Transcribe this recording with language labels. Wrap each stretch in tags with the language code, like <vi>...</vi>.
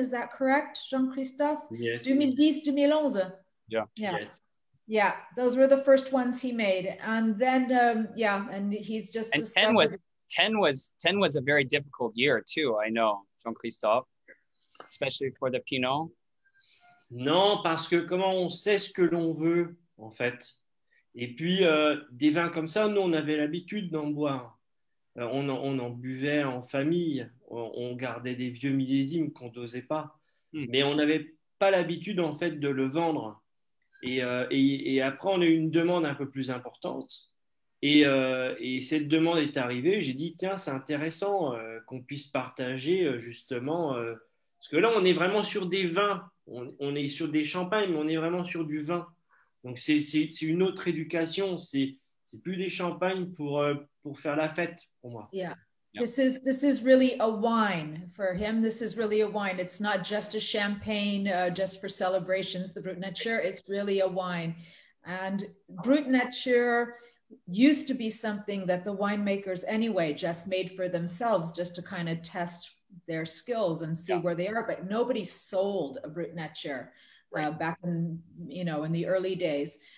<en>Is that correct, Jean-Christophe? Yes. 2010, 2011. Yeah. Yeah. Yes. Yeah. Those were the first ones he made. And then, and he's just. And 10 was a very difficult year, too, I know, Jean-Christophe, especially for the Pinot.</en> <fr>Non, parce que comment on sait ce que l'on veut, en fait? Et puis, des vins comme ça, nous, on avait l'habitude d'en boire. On en buvait en famille. On gardait des vieux millésimes qu'on dosait pas. Mm. Mais on n'avait pas l'habitude, en fait, de le vendre. Et après, on a eu une demande un peu plus importante. Et cette demande est arrivée. J'ai dit, tiens, c'est intéressant qu'on puisse partager, justement. Parce que là, on est vraiment sur des vins. On est sur des champagnes, mais on est vraiment sur du vin. Donc, c'est une autre éducation, c'est C'est plus des champagnes pour faire la fête pour moi.</fr> <en>Yeah. This is really a wine for him. This is really a wine. It's not just a champagne just for celebrations, the Brut Nature. It's really a wine. And Brut Nature used to be something that the winemakers anyway just made for themselves just to kind of test their skills and see where they are. But nobody sold a Brut Nature back in, you know, in the early days.</en>